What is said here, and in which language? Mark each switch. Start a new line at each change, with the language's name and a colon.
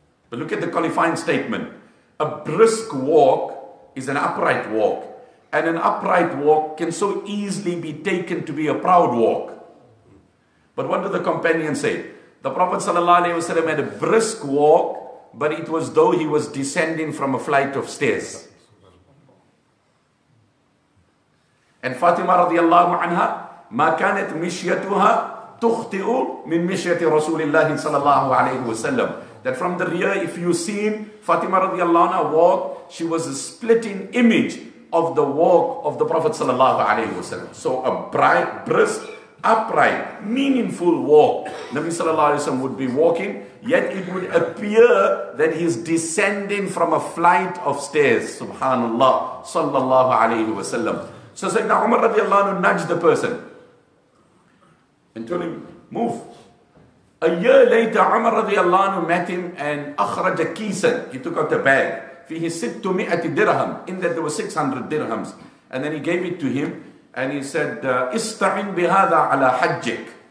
English: But look at the qualifying statement. A brisk walk is an upright walk. And an upright walk can so easily be taken to be a proud walk. But what do the companions say? The Prophet ﷺ had a brisk walk, but it was though he was descending from a flight of stairs.
Arabic: And Fatima radiallahu anha, مَا كَانَتْ مِشْيَتُهَا تُخْتِئُ مِنْ مِشْيَةِ رَسُولِ اللَّهِ صَلَى اللَّهُ عَلَيْهُ وَسَلَّمُ.
English: That from the rear, if you see Fatima radiallahu anha walk, she was a splitting image of the walk of the Prophet
Arabic: صلى الله عليه وسلم.
English: So a bright, brisk, upright, meaningful walk. Nabi
Arabic: صلى الله عليه وسلم
English: would be walking, yet it would appear that he's descending from a flight of stairs.
Arabic: Subhanallah, صلى الله عليه وسلم.
English: So Sayyidina Umar radiallahu anhu nudged the person and told him, move. A year later, Umar radiallahu anhu met him and
Arabic: أخرج كيسا.
English: He took out a bag.
Arabic: فيه ستة مئة درهم.
English: In that there were 600 dirhams. And then he gave it to him and he said,
Arabic: استعن بهذا على حجك.